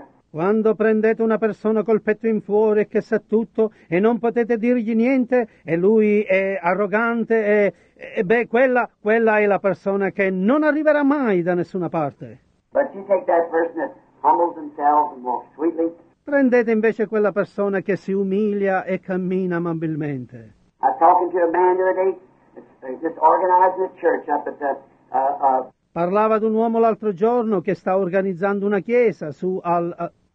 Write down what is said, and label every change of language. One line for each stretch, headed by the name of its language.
Italian: Quando prendete una persona col petto in fuori che sa tutto e non potete dirgli niente e lui è arrogante e beh, quella è la persona che non arriverà mai da nessuna parte.
English: But you take that person that humbles himself and walks sweetly.
Italian: Prendete invece quella persona che si umilia e cammina amabilmente.
English: I was talking to a man the other day, just organizing a church up at the...
Italian: Parlava ad un uomo l'altro giorno che sta organizzando una chiesa su al...